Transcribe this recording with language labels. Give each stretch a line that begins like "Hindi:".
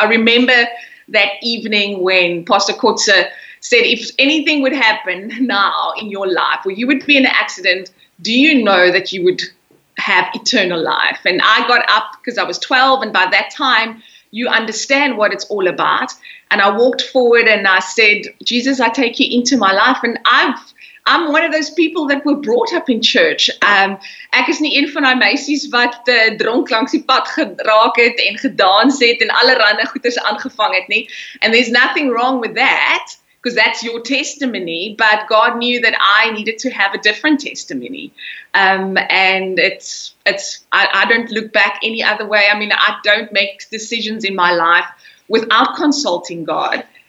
English: I remember that evening when Pastor Kotze said, if anything would happen now in your life, or you would be in an accident, do you know that you would have eternal life? And I got up because I was 12, and by that time, you understand what it's all about. And I walked forward and I said, Jesus, I take you into my life. And I'm one of those people that were brought up in church.
Afrikaans: Ek is nie een van daai meisies wat dronk langs die pad geraak het en gedans het en allerhande goeders aangevang het nie.
English: And there's nothing wrong with that, because that's your testimony, but God knew that I needed to have a different testimony. And I don't look back any other way. I mean, I don't make decisions in my life without consulting God.